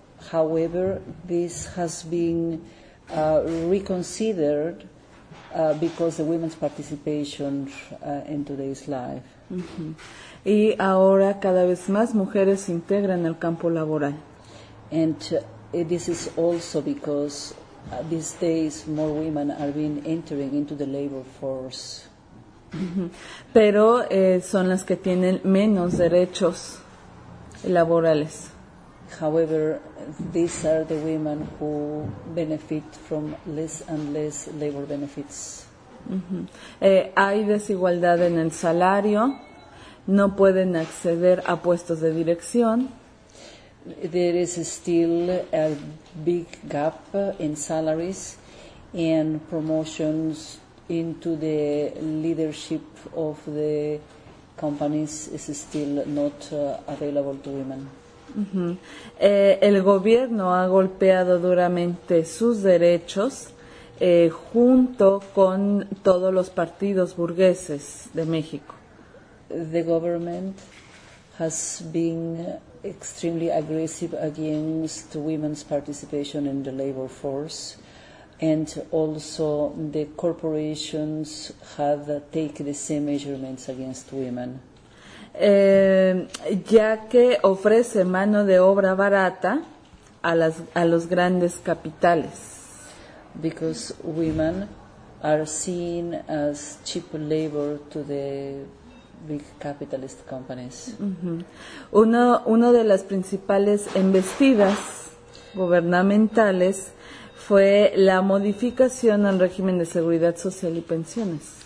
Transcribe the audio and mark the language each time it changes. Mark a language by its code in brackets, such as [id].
[en] However, this has been reconsidered because the women's participation in today's life. [es] Y ahora cada vez más mujeres se integran al campo laboral. [en] And this is also because these days more women are being entering into the labor force. [es] Pero son las que tienen menos derechos laborales. [en] However, these are the women who benefit from less and less labor benefits. [es] Hay desigualdad en el salario. No pueden acceder a puestos de dirección. [en] There is still a big gap in salaries and promotions into the leadership of the companies is still not available to women. [es] El gobierno ha golpeado duramente sus derechos junto con todos los partidos burgueses de México. [en] The government has been extremely aggressive against women's participation in the labor force, and also the corporations have taken the same measurements against women. [es] ya que ofrece mano de obra barata a las a los grandes capitales. [en] Because women are seen as cheap labor to the big capitalist companies. Uh-huh. [es] Uno de las principales embestidas gubernamentales fue la modificación al régimen de seguridad social y pensiones.